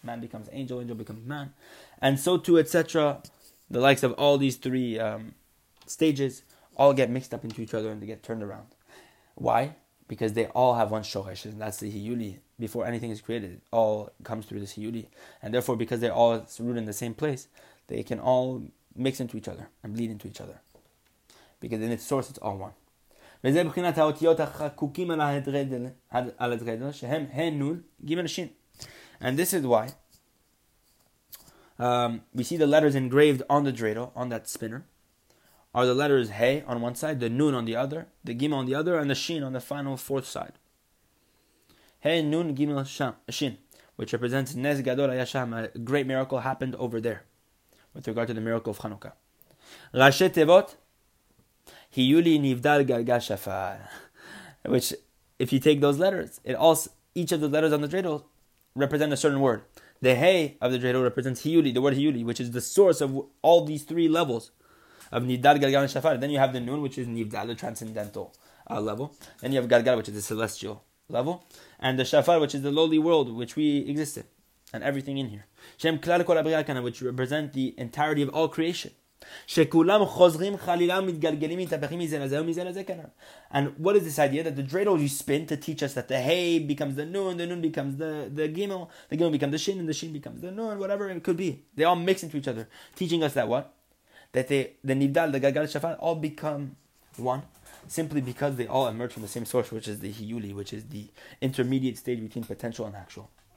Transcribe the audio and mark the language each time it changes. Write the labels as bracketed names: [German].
[English] Man becomes angel, angel becomes man. And so too, etc., the likes of all these three stages all get mixed up into each other and they get turned around. Why? Because they all have one Shohesh, and that's the Hiyuli. Before anything is created, it all comes through this Hiyuli. And therefore, because they're all rooted in the same place, they can all mix into each other and bleed into each other. Because in its source, it's all one. [Hebrew] וזה בחינת האותיות החקוקים על הדרדל, על הדרדל, שהם הן נון, גימל שין. [English] And this is why we see the letters engraved on the dreidel, on that spinner, are the letters he on one side, the nun on the other, the gimel on the other, and the shin on the final fourth side. He nun gimel shin, which represents [Hebrew] nes gadol hayasham, [English] a great miracle happened over there, with regard to the miracle of Chanukah. [Hebrew] Rashi tevot, Hiyuli Nivdal Galgal Shafal. [English] Which, if you take those letters, each of the letters on the dreidel represent a certain word. The hey of the dreidel represents Hiyuli, the word Hiyuli, which is the source of all these three levels of Nivdal Galgal Shafal. Then you have the Nun, which is Nivdal, the transcendental level. Then you have Galgal, which is the celestial level. And the Shafal, which is the lowly world which we exist in, and everything in here. [Hebrew] Shem Klal Kol Abriya Kana, which represent the entirety of all creation. שכולם חוזרים חלילה ומתגלגלים מתהפכים מזה לזה ומזה לזה כנראה. [English] And what is this idea that the dreidel you spin to teach us that the hey becomes the nun becomes the gimel becomes the shin, and the shin becomes the nun, whatever it could be. They all mix into each other, teaching us that what? That the nivdal, the galgal shafal, all become one simply because they all emerge from the same source, which is the hiyuli, which is the intermediate stage between potential and actual.